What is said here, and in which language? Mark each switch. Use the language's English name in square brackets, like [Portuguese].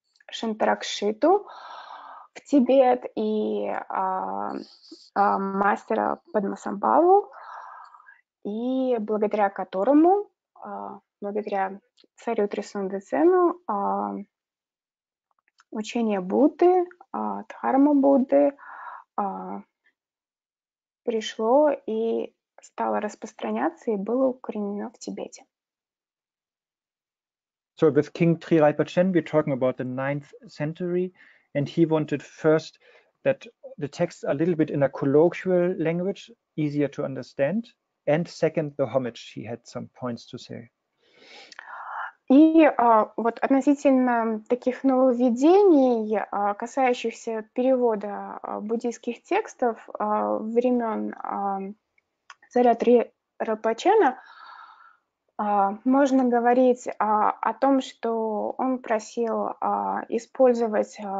[Russian] Шантаракшиту в Тибет и мастера Падмасамбаву, и благодаря которому, благодаря царю Трисону Децену, учение Будды, Дхарма Будды пришло и стало распространяться и было укоренено в Тибете. [English] So with King Tri Rinpochen, we're talking about the 9th century, and he wanted first that the texts are a little bit in a colloquial language, easier to understand, and second, the homage, he had some points to say. [Russian] И вот относительно таких нововведений, касающихся перевода буддийских текстов времен царя Три Рапачена, можно говорить о том, что он просил использовать